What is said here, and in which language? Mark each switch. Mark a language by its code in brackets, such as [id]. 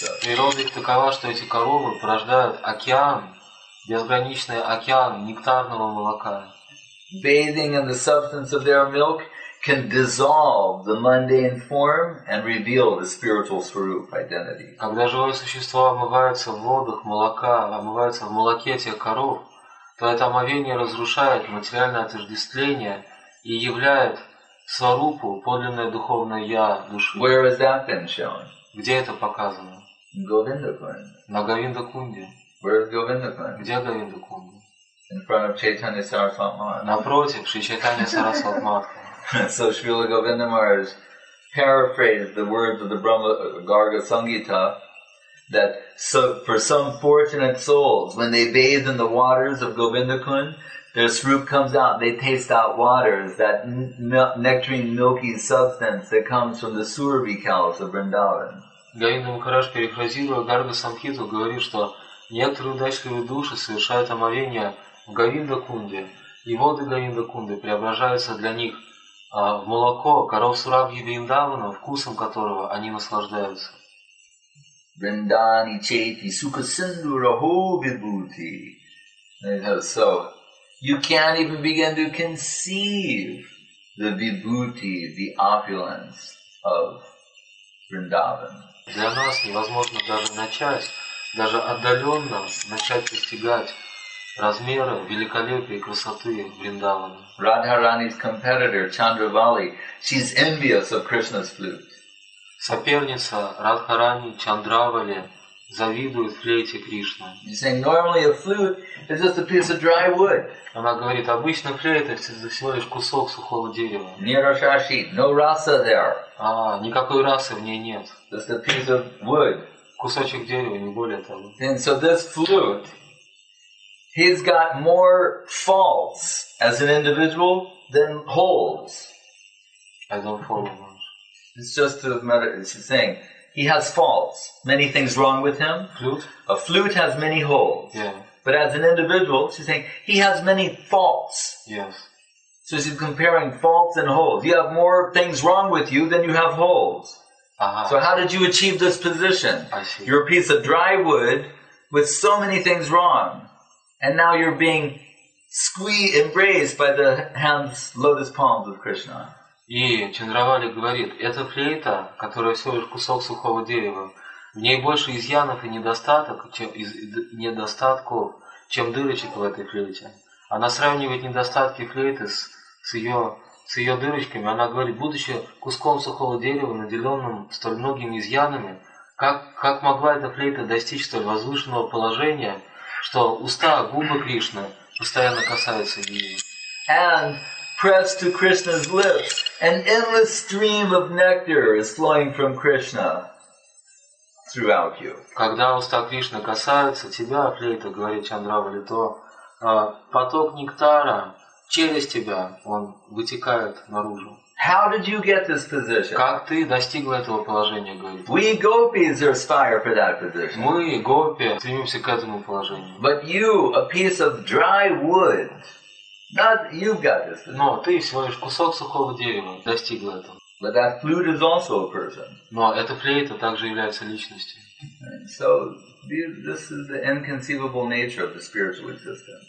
[ru] Природа их такова, что эти коровы порождают океан, безграничный океан нектарного молока. [en] bathing in the substance of their milk can dissolve the mundane form and reveal the spiritual Swarup identity. [ru] Когда живые существа омываются в водах молока, омываются в молоке тех коров, то это омовение разрушает материальное отождествление и являет Сварупу, подлинное духовное Я души. [en] Where has that been shown? [ru] Где это показано? [en] In Govindakund. [ru] На Говиндакунде. [en] Where is Govindakund? [ru] Где Говиндакунда? [en] In front of Chaitanya Sarasvat Mahatma. [ru] Напротив Шри Чайтанья Сарасвата Махатмы. [en] So Srila Govinda Maharaj paraphrased the words of the Brahma Garga Sangita that so for some fortunate souls, when they bathe in the waters of Govindakund, their srup comes out, they taste out waters, that nectarine milky substance that comes from the Surabhi cows of Vrindavan. [ru] Govinda Maharaj перефразировал Гарга Сангиту, говорит, что некоторые удачливые души совершают омовение в Говиндакунде, и воды Говиндакунды преображаются для них в молоко коров Сурабхи Вриндавана, вкусом которого они наслаждаются. [sa] Вриндани чейти сукасинду рахо вибхути. [en] So, you can't even begin to conceive the vibhuti, the opulence of Vrindavan. [ru] Для нас невозможно даже начать, даже отдаленно начать достигать размера, великолепия и красоты Вриндавана. [en] Radharani's competitor, Chandravali, she's envious of Krishna's flute. [ru] Соперница Радхарани, Чандравали, завидует флейте Кришны. [en] She's saying, normally a flute is just a piece of dry wood. [ru] Она говорит, обычно флейта всего лишь кусок сухого дерева. [sa] Ni rasashi, [en] no rasa there. [ru] А, никакой расы в ней нет. [en] Just a piece of wood. [ru] Кусочек дерева, не более того. [en] And so this flute, he's got more faults as an individual than holes. I don't follow much. It's just a matter, it's a thing. He has faults. Many things wrong with him. Flute? A flute has many holes. Yeah. But as an individual, she's saying, he has many faults. Yes. So she's comparing faults and holes. You have more things wrong with you than you have holes. Uh-huh. So how did you achieve this position? I see. You're a piece of dry wood with so many things wrong. And now you're being squeezed, embraced by the hands, lotus palms of Krishna. [ru] И Чандравали говорит, эта флейта, которая всего лишь кусок сухого дерева, в ней больше изъянов и недостаток, чем недостатков, чем дырочек в этой флейте. Она сравнивает недостатки флейты с ее дырочками. Она говорит, будучи куском сухого дерева, наделенным столь многими изъянами, как могла эта флейта достичь столь возвышенного положения, что уста, губы Кришны постоянно касаются ее. [en] And pressed to Krishna's lips, an endless stream of nectar is flowing from Krishna throughout you. [ru] Когда уста Кришны касаются тебя, флейта, говорит Чандравали, то поток нектара через тебя, он вытекает наружу. [en] How did you get this position? [ru] Как ты достигла этого положения, говорит? [en] We gopis aspire for that position. [ru] Мы, гопи, стремимся к этому положению. [en] But you, a piece of dry wood, not you've got this position. [ru] Но ты всего лишь кусок сухого дерева, достигла этого. [en] But that flute is also a person. [ru] Но эта флейта также является личностью. [en] So this is the inconceivable nature of the spiritual existence.